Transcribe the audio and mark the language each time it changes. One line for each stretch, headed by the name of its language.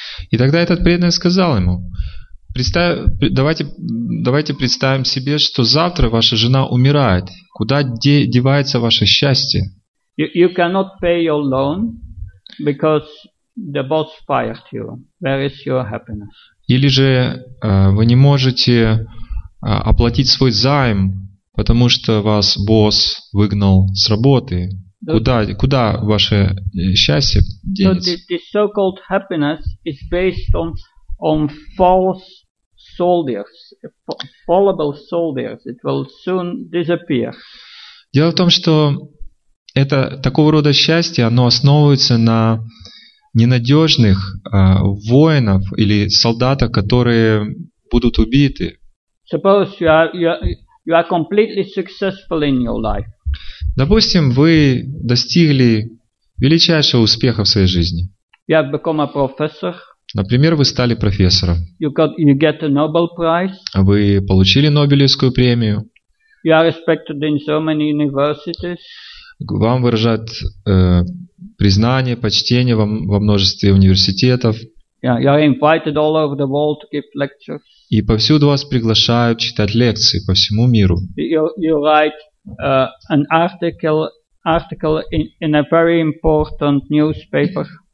Russian: И тогда этот преданный сказал ему: Давайте представим себе, что завтра ваша жена умирает. Куда девается ваше счастье?
English: You cannot pay your loan because the boss fired you. Where is your happiness?
Russian: Или же вы не можете оплатить свой займ, потому что вас босс выгнал с работы. Куда ваше счастье денется?
English: So the so-called happiness is based on false soldiers, fallible soldiers. It will soon disappear.
Russian: Дело в том, что это такого рода счастье, оно основывается на ненадежных воинов или солдатах, которые будут убиты.
English: Suppose you are completely successful in your life.
Russian: Допустим, вы достигли величайшего успеха в своей жизни.
English: You have become a professor.
Russian: Например, вы стали профессором.
English: You get a Nobel Prize.
Russian: Вы получили Нобелевскую премию.
English: You are respected in so many universities.
Russian: Вам выражают признание, почтение во множестве университетов.
English: Yeah, you are invited all over the world to give lectures.
Russian: И повсюду вас приглашают читать лекции по всему миру.
English: You write an article in a very important newspaper.